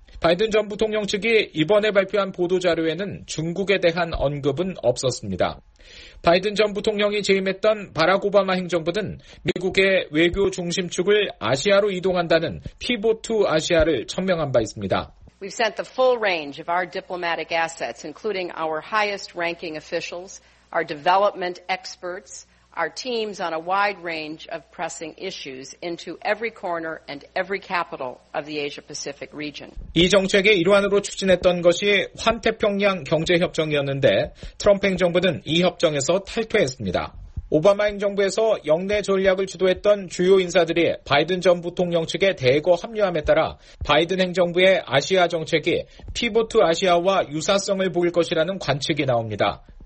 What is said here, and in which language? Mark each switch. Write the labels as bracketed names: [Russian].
[Korean] 바이든 전 부통령 측이 이번에 발표한 보도자료에는 중국에 대한 언급은 없었습니다. 바이든 전 부통령이 재임했던 바락 오바마 행정부는 미국의 외교 중심축을 아시아로 이동한다는 피보투 아시아를 천명한 바 있습니다. [English] We've sent the full range of our diplomatic assets, including our highest-ranking officials, our development experts, our teams on a wide range of pressing issues into every corner and every capital of the Asia-Pacific region. [Korean] 이 정책의 일환으로 추진했던 것이 환태평양 경제협정이었는데 트럼프 행정부는 이 협정에서 탈퇴했습니다. 오바마 행정부에서 역내 전략을 주도했던 주요 인사들이 바이든 전 부통령 측에 대거 합류함에 따라 바이든 행정부의 아시아 정책이 피보트 아시아와 유사성을 보일 것이라는 관측이 나옵니다.